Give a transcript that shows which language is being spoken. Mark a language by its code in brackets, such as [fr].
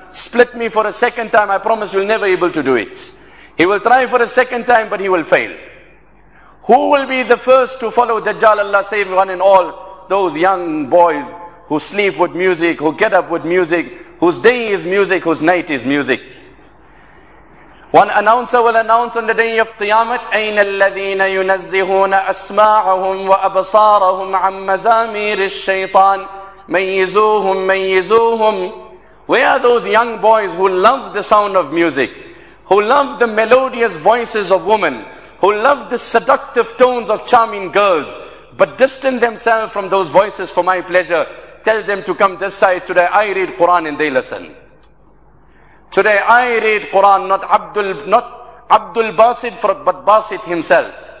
[en] Split me for a second time, I promise you'll never be able to do it. He will try for a second time, but he will fail. Who will be the first to follow Dajjal? Allah save one and all. Those young boys who sleep with music, who get up with music, whose day is music, whose night is music. One announcer will announce on the day of Qiyamah, [ar] أَيْنَ الَّذِينَ يُنَزِّهُونَ أَسْمَاعَهُمْ وَأَبْصَارَهُمْ عَمْ مَزَامِيرِ الشَّيْطَانِ مَيِّزُوهُمْ مَيِّزُوهُمْ. [en] Where are those young boys who love the sound of music, who love the melodious voices of women, who love the seductive tones of charming girls, but distance themselves from those voices for my pleasure? Tell them to come this side. Today I read Quran and they listen. Today I read Quran, not Abdul Basid, but Basid himself.